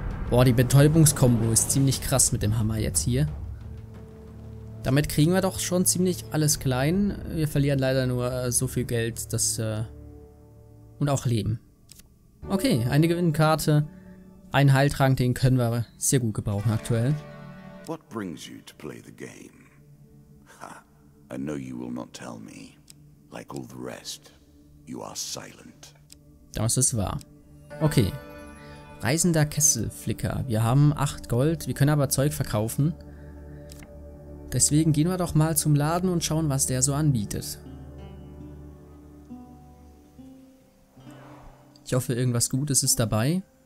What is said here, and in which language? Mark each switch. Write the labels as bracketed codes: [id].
[de] Boah, die Betäubungskombo ist ziemlich krass mit dem Hammer jetzt hier. Damit kriegen wir doch schon ziemlich alles klein. Wir verlieren leider nur so viel Geld, dass... und auch Leben. Okay, eine Gewinnkarte. Ein Heiltrank, den können wir sehr gut gebrauchen aktuell. [en] What brings you to play the game? I know you will not tell me. Like all the rest, you are silent. [de] Das ist wahr. Okay. Reisender Kesselflicker. Wir haben 8 Gold, wir können aber Zeug verkaufen. Deswegen gehen wir doch mal zum Laden und schauen, was der so anbietet. Ich hoffe, irgendwas Gutes ist dabei.